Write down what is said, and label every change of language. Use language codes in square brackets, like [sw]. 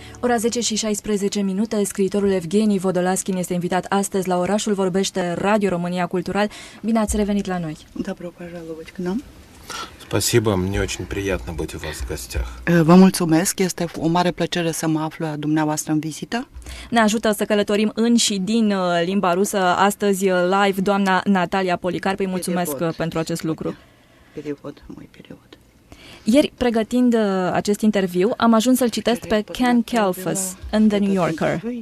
[ro] Ora 10 și 16 minute, scriitorul Evgheni Vodolaskin este invitat astăzi la Orașul Vorbește, Radio România Cultural. Bine ați revenit la noi! [ru] Добро пожаловать к нам! Спасибо, мне очень приятно быть у вас в гостях. [ro] Vă mulțumesc, este o mare plăcere să mă aflu la dumneavoastră în vizită. Ne ajută să călătorim în și din limba rusă astăzi live doamna Natalia Policarp. Îi mulțumesc pentru acest lucru. [ru] Перевод, мой перевод. [ro] Ieri, pregătind acest interviu, am ajuns să-l citesc pe Ken Kelfus în The New Yorker.